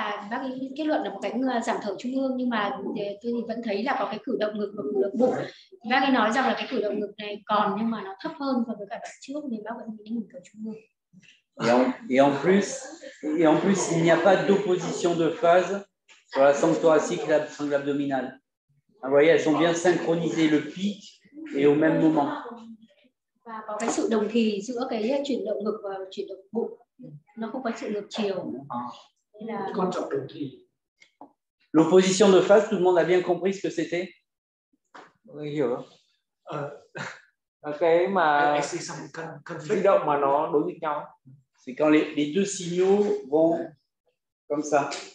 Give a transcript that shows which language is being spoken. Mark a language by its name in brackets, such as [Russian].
[Vietnamese] Bác ấy kết luận là một cái giảm thở trung ương, nhưng mà tôi vẫn thấy là có cái cử động ngực và cử động bụng. Bác ấy nói rằng là cái cử động ngực này còn, nhưng mà nó thấp hơn so với cả trước, nên bác vẫn bị ngừng thở trung ương. [French] Et en plus, il n'y a pas d'opposition de phase sur la sangle thoracique et la sangle abdominale. Vous voyez, elles ont bien synchronisé le pic et au même moment. L'opposition de phase, tout le monde a bien compris ce que c'était? Oui, je vois. [Vietnamese] Cái mà di động mà nó đối với nhau, [French] c'est quand les deux signaux vont comme ça.